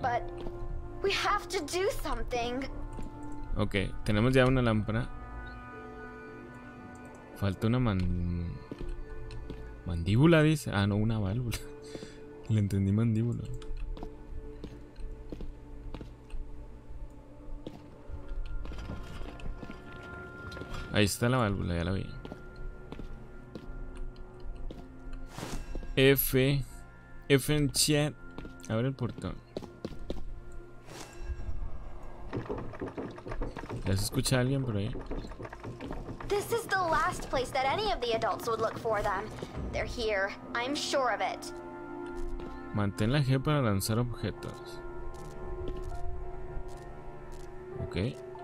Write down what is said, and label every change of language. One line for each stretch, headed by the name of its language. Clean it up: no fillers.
English: But we have to do something.
Spanish: Ok, tenemos ya una lámpara. Falta una mandíbula, dice. Ah, no, una válvula. Le entendí mandíbula. Ahí está la válvula, ya la vi. F. F en chat. Abre el portón. ¿Ya se escucha a alguien por ahí?
English: This is the last place that any of the adults would look for them. They're here. I'm sure of it.
Spanish: Mantén la G para lanzar objetos. Ok.